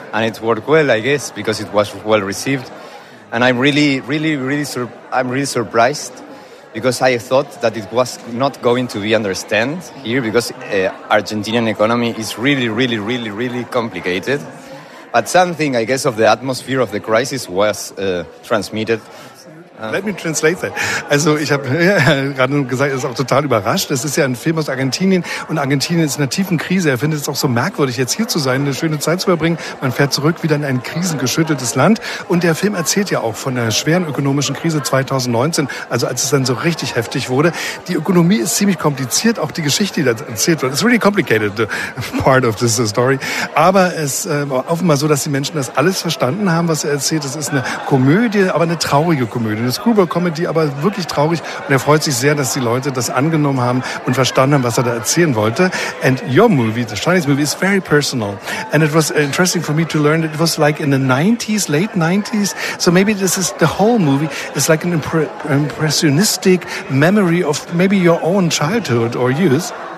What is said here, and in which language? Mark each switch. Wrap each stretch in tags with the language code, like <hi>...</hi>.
<en>And it worked well, I guess, because it was well received. And I'm really surprised because I thought that it was not going to be understood here because Argentinian economy is really, really, really, really complicated. But something, I guess, of the atmosphere of the crisis was transmitted. Let me translate that.</en> <de>Also ich habe gerade gesagt, er ist auch total überrascht. Das ist ja ein Film aus Argentinien und Argentinien ist in einer tiefen Krise. Er findet es auch so merkwürdig, jetzt hier zu sein, eine schöne Zeit zu verbringen. Man fährt zurück wieder in ein krisengeschütteltes Land. Und der Film erzählt ja auch von der schweren ökonomischen Krise 2019, also als es dann so richtig heftig wurde. Die Ökonomie ist ziemlich kompliziert, auch die Geschichte, die da erzählt wird.</de> <en>It's really complicated, the part of this story.</en> <de>Aber es ist offenbar so, dass die Menschen das alles verstanden haben, was er erzählt. Es ist eine Komödie, aber eine traurige Komödie. Eine Screwball-Comedy, aber wirklich traurig. Und er freut sich sehr, dass die Leute das angenommen haben und verstanden haben, was er da erzählen wollte.</de> <en>And your movie, the Chinese movie, is very personal. And it was interesting for me to learn that it was like in the 90s, late 90s. So maybe this is the whole movie. It's like an impressionistic memory of maybe your own childhood or youth.</en>